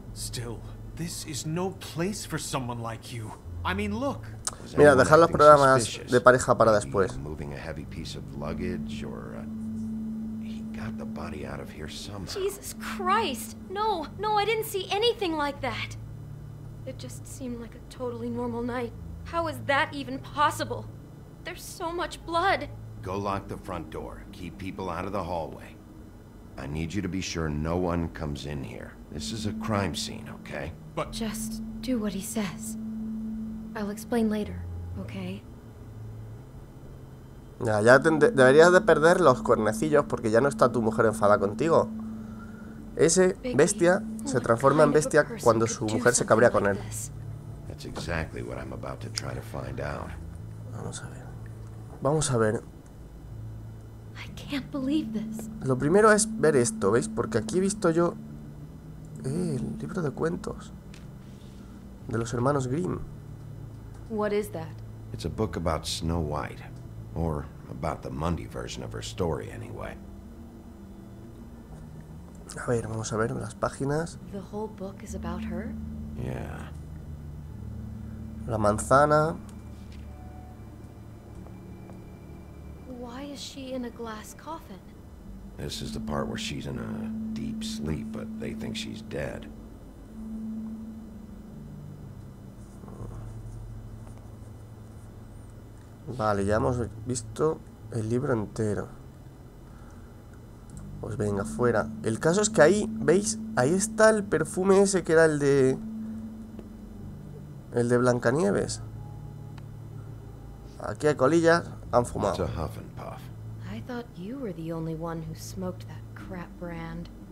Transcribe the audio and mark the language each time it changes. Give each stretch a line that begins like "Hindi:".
English: Still, this is no place for someone like you. I mean, look.
Spanish: Mira, dejar los programas de pareja para después.
English: Moving a heavy piece of luggage or... He got the body out of here somehow. Jesus Christ. No, I didn't see anything like that. It just seemed like a totally normal night. How is that even possible? There's so much blood. Go lock the front door. Keep people out of the hallway. I need you to be sure no one comes in here. This is a crime scene, okay? But just do what he says. I'll explain later, okay?
Spanish: Ya deberías de perder los cuernecillos porque ya no está tu mujer enfadada contigo. Ese bestia se transforma en bestia cuando su mujer se cabrea con él.
English: That's exactly what I'm about to try to find out.
Spanish: Vamos a ver.
English: I can't believe this.
Spanish: Lo primero es ver esto, ¿veis? Porque aquí he visto yo el libro de cuentos de los hermanos Grimm.
English: What is that? It's a book about Snow White, or about the Mundy version of her story anyway.
Spanish: A ver, vamos a ver las páginas.
English: The whole book is about her? Yeah.
Spanish: La manzana.
English: Why is she in a glass coffin? This is the part where she's in a deep sleep, but they think she's dead.
Spanish: Vale, ya hemos visto el libro entero. Pues venga, fuera. El caso es que ahí, ¿veis? Ahí está el perfume ese que era el de Blancanieves. Aquí hay colillas, han fumado.
English: It's a huff and puff. I thought you were the only one who smoked that crap brand.